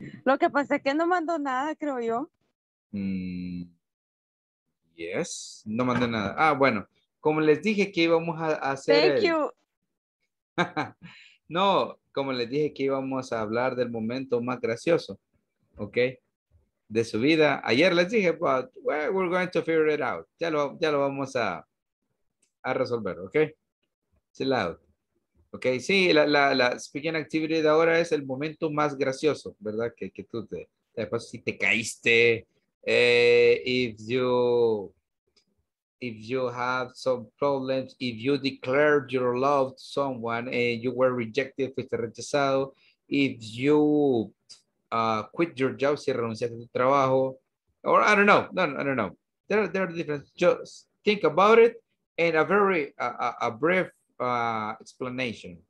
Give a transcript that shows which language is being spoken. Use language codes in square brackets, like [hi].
[es] Lo que pasa es que no mandó nada, creo yo. [en] Yes, [es] no mandé nada. Ah, bueno, como les dije que íbamos a hacer. [en] Thank you. [es] No, como les dije que íbamos a hablar del momento más gracioso, ¿ok? De su vida. Ayer les dije, [en] but we're going to figure it out. [es] Ya lo vamos a resolver, ¿ok? [en] Chill out. [es] Ok, sí, la speaking activity de ahora es el momento más gracioso, ¿verdad? Que tú te, después si te caíste, [en] if you have some problems, if you declared your love to someone and you were rejected, [es] fuiste rechazado, [en] if you quit your job, [es] si renunciaste a tu trabajo, [en] or I don't know, no, there are different, just think about it in a very, a brief, explanation.